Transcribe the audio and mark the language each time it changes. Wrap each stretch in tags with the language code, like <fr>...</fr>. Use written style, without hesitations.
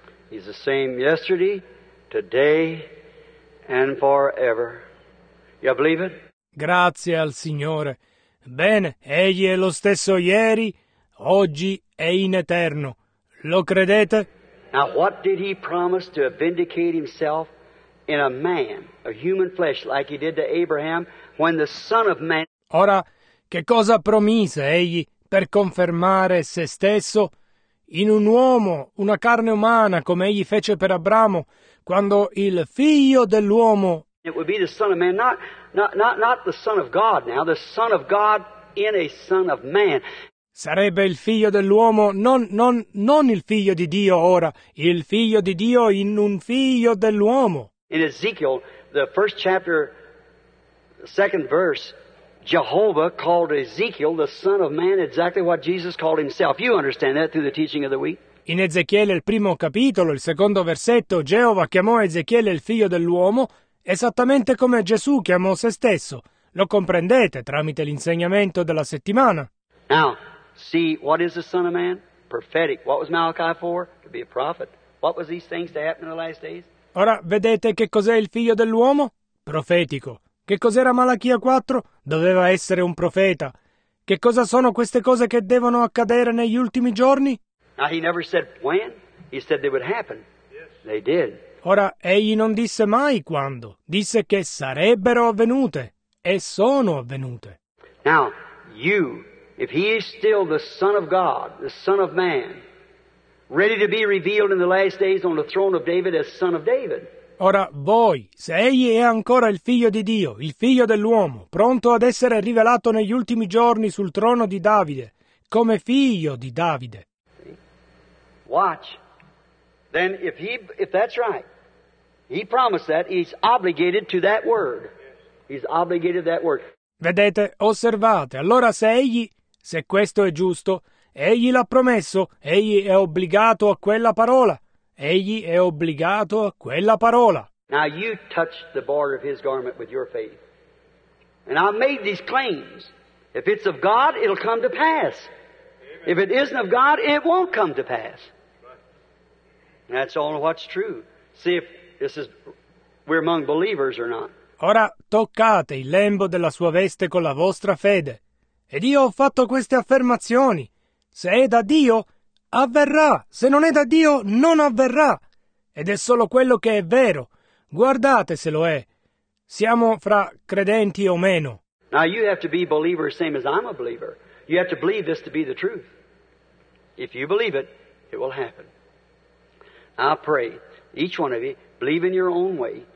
<en>He's the same yesterday, today, and forever. You believe it?</en> <it>Grazie al Signore. Bene, Egli è lo stesso ieri, oggi e in eterno. Lo credete?</it> <en>Now, what did he promise to vindicate himself in a man, a human flesh, like he did to Abraham, when the Son of Man...</en> <it>Ora, che cosa promise Egli per confermare se stesso in un uomo, una carne umana, come Egli fece per Abramo, quando il Figlio dell'uomo...</it> <en>It would be the Son of Man, not the Son of God now, the Son of God in a Son of Man.</en> <it>Sarebbe il Figlio dell'uomo, non il Figlio di Dio ora, il Figlio di Dio in un Figlio dell'uomo.</it> <en>In Ezekiel, the first chapter, the second verse, Jehovah called Ezekiel the Son of Man, exactly what Jesus called himself. You understand that through the teaching of the week?</en> <it>In Ezechiele, il primo capitolo, il secondo versetto, Geova chiamò Ezechiele il Figlio dell'uomo, esattamente come Gesù chiamò se stesso. Lo comprendete tramite l'insegnamento della settimana.</it> <en>Now, see, what is the Son of Man? Prophetic. What was Malachi for? To be a prophet. What was these things to happen in the last days?</en> <it>Ora, vedete che cos'è il Figlio dell'uomo? Profetico. Che cos'era Malachia 4? Doveva essere un profeta. Che cosa sono queste cose che devono accadere negli ultimi giorni?</it> <en>Now, he never said when. He said they would happen. Yes. They did.</en> <it>Ora, egli non disse mai quando. Disse che sarebbero avvenute. E sono avvenute.</it> <en>Now, you, if he is still the Son of God, the Son of Man, ready to be revealed in the last days on the throne of David as Son of David.</en> <it>Ora, voi, se egli è ancora il Figlio di Dio, il Figlio dell'uomo, pronto ad essere rivelato negli ultimi giorni sul trono di Davide, come Figlio di Davide.</it> <en>Watch. Then if that's right, he promised that, he's obligated to that word. He's obligated to that word.</en> <it>Vedete, osservate. Allora se questo è giusto, egli l'ha promesso, egli è obbligato a quella parola. Egli è obbligato a quella parola.</it> <en>Now you touched the border of his garment with your faith. And I made these claims. If it's of God, it'll come to pass. Amen. If it isn't of God, it won't come to pass. That's all what's true. See if this is we're among believers or not.</en> <it>Ora toccate il lembo della sua veste con la vostra fede. Ed io ho fatto queste affermazioni. Se è da Dio, avverrà. Se non è da Dio, non avverrà. Ed è solo quello che è vero. Guardate se lo è. Siamo fra credenti o meno.</it> <en>Now you have to be a believer same as I'm a believer. You have to believe this to be the truth. If you believe it, it will happen. I pray, each one of you, believe in your own way.</en>